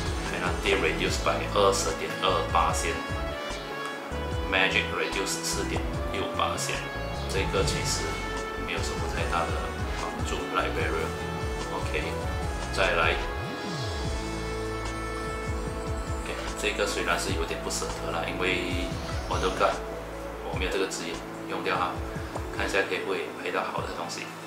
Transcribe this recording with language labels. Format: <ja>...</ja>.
<en>Penalty reduced by 20.28%， Magic reduced 4.68%。</en> <zh>这个其实没有什么太大的帮助。</zh> <en>Librarian， OK，</en> <zh>再来。 OK， 这个虽然是有点不舍得了，因为我都干，我没有这个职业，用掉它，看一下可不可以配到好的东西。</zh>